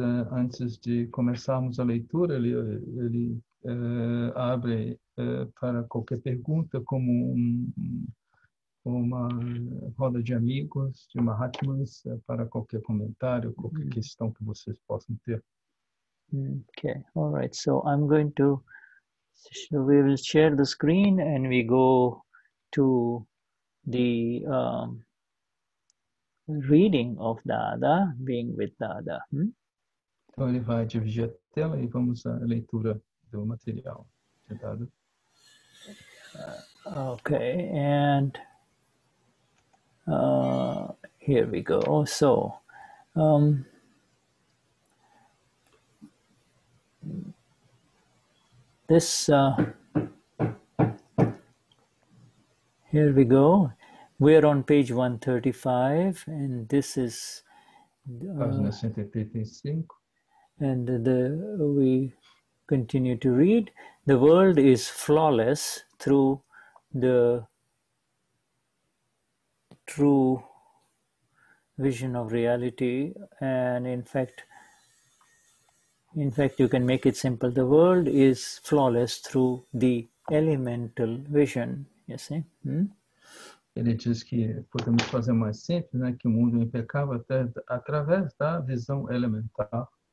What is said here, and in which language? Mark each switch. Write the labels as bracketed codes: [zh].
[pt] Antes de começarmos a leitura, ele abre para qualquer pergunta como uma roda de amigos, de Mahatmas, para qualquer comentário, qualquer questão que vocês possam ter. [en] Okay, all right. So I'm going to, so we will share the screen and we go to the reading of Dada, being with Dada. [pt] Então ele vai dividir a tela e vamos à leitura do material de Dada. [en] Okay, and here we go. So, this, here we go. We're on page 135, and this is, and we continue to read. The world is flawless through the true vision of reality, and in fact you can make it simple. The world is flawless through the elemental vision, you see. [pt] Ele diz que podemos fazer mais simples, né, que o mundo é impecável até através da visão elemental.